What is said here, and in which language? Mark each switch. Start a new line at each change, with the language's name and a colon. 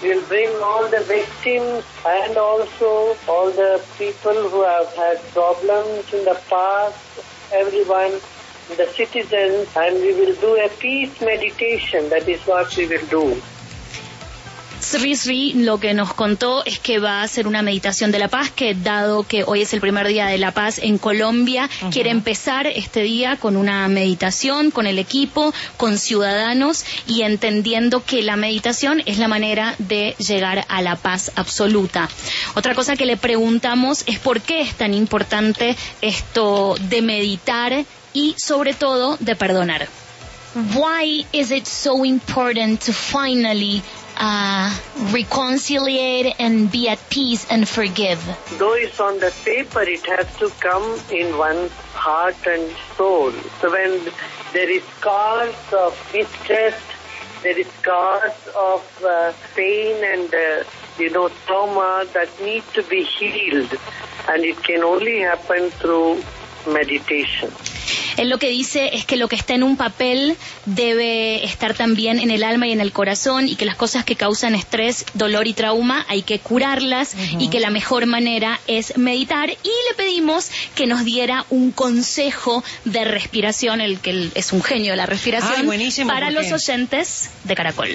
English: We'll bring all the victims and also all the people who have had problems in the past, everyone, the citizens, and we will do a peace meditation. That is what we will do.
Spanish: Srisri lo que nos contó es que va a hacer una meditación de la paz, que dado que hoy es el primer día de la paz en Colombia, quiere empezar este día con una meditación, con el equipo, con ciudadanos, y entendiendo que la meditación es la manera de llegar a la paz absoluta. Otra cosa que le preguntamos es por qué es tan importante esto de meditar y sobre todo de perdonar.
English: Why is it so important to finally reconciliate and be at peace and forgive? Though it's on the paper, it has to come in one's heart and soul. So when there is cause of distress, there is cause of pain and trauma that need to be healed, and it can only happen through meditation.
Spanish: Él lo que dice es que lo que está en un papel debe estar también en el alma y en el corazón, y que las cosas que causan estrés, dolor y trauma hay que curarlas, y que la mejor manera es meditar. Y le pedimos que nos diera un consejo de respiración, el que es un genio de la respiración, para los oyentes de Caracol.